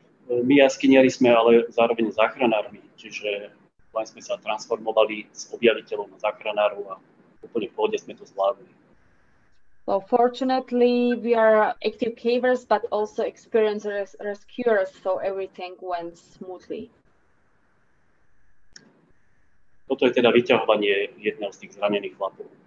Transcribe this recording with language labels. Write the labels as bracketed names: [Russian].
[Slovak] My jaskyniari sme ale zároveň záchranármi, čiže len sme sa transformovali z objaviteľov na záchranáru a úplne v pohode sme to zvládli. [English] So fortunately, we are active cavers, but also experienced rescuers, so everything went smoothly. [Slovak] Toto je teda vyťahovanie jedného z tých zranených chlapov.